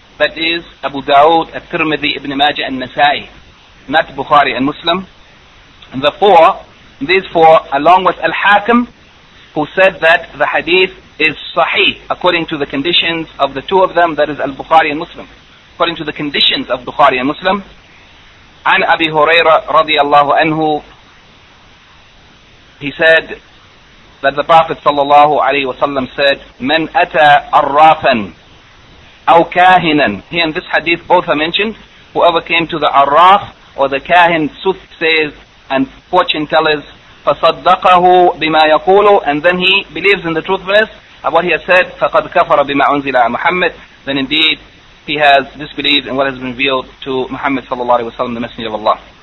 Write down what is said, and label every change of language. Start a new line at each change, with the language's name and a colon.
English: That is Abu Dawud, Tirmidhi, Ibn Majah and Nasai, not Bukhari and Muslim. And the four, these four, along with Al-Hakim, who said that the hadith is sahih, according to the conditions of the two of them, that is Al-Bukhari and Muslim. According to the conditions of Bukhari and Muslim,
Arabic: عن أبي هريرة رضي الله عنه,
English: he said that the Prophet
Arabic: صلى الله عليه وسلم
English: said,
Arabic: من أتى عرافا أو كاهنا.
English: Here in this hadith both are mentioned, whoever came to the عراف or the كاهن, soothsayers and fortune tellers,
Arabic: فصدقه بما يقول,
English: and then he believes in the truthfulness of what he has said,
Arabic: فقد كفر بما أنزل على محمد,
English: then indeed he has disbelieved in what has been revealed to Muhammad
Arabic: صلى الله عليه وسلم,
English: the Messenger of Allah.